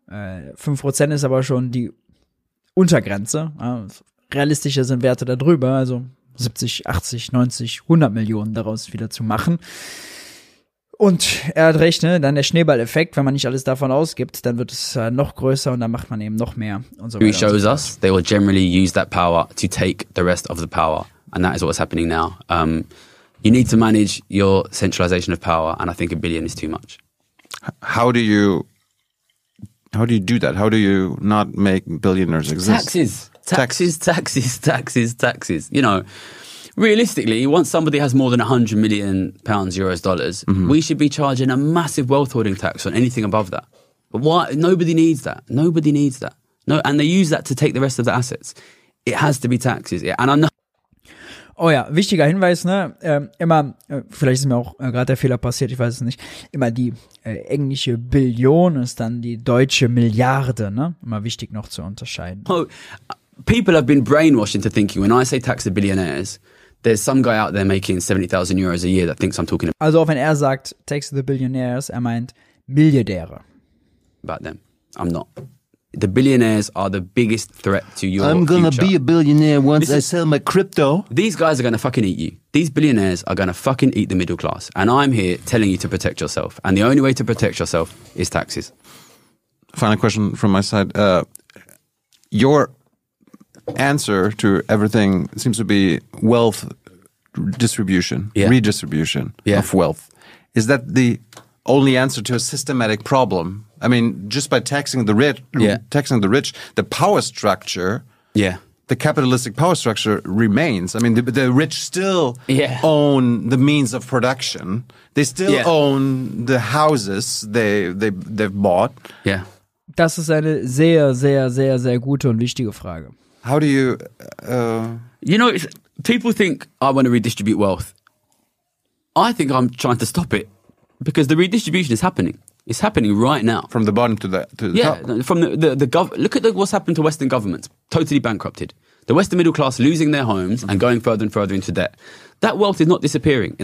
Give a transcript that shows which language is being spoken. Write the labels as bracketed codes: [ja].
[de] 5% ist aber schon die Untergrenze. Ja? Realistischer sind Werte darüber, also 70, 80, 90, 100 Millionen daraus wieder zu machen. Und er hat recht, ne? Dann der Schneeballeffekt, wenn man nicht alles davon ausgibt, dann wird es noch größer und dann macht man eben noch mehr und so weiter. [en] Who shows us, they will generally use that power to take the rest of the power. And that is what's happening now. You need to manage your centralization of power, and I think a billion is too much. How do you do that? How do you not make billionaires exist? Taxes. You know, realistically, once somebody has more than 100 million pounds, euros, dollars, mm-hmm. we should be charging a massive wealth hoarding tax on anything above that. But why? Nobody needs that. No, and they use that to take the rest of the assets. It has to be taxes. Yeah, and I'm not. [de] Oh ja, wichtiger Hinweis, ne? Vielleicht ist mir auch gerade der Fehler passiert, ich weiß es nicht. Immer die englische Billion ist dann die deutsche Milliarde, ne? Immer wichtig noch zu unterscheiden. [en] Oh, people have been brainwashed into thinking, when I say tax the billionaires, there's some guy out there making 70,000 euros a year that thinks I'm talking about. [de] Also auch wenn er sagt, [en] tax the billionaires, [de] er meint Milliardäre. [en] About them. I'm not. The billionaires are the biggest threat to your future. I'm gonna be a billionaire once I sell my crypto. These guys are gonna fucking eat you. These billionaires are gonna fucking eat the middle class. And I'm here telling you to protect yourself. And the only way to protect yourself is taxes. Final question from my side. Your answer to everything seems to be wealth distribution, redistribution of wealth. Is that the only answer to a systematic problem? I mean, just by taxing the rich, the power structure, the capitalistic power structure remains. I mean, the rich still own the means of production. They still own the houses they've bought. Yeah. [de] Das ist eine sehr, sehr, sehr, sehr gute und wichtige Frage. [en] How do you... You know, people think I want to redistribute wealth. I think I'm trying to stop it because the redistribution is happening. It's happening right now. From the bottom to the top. Yeah, from the government. Look at what's happened to Western governments. Totally bankrupted. The Western middle class losing their homes and going further and further into debt. That wealth is not disappearing.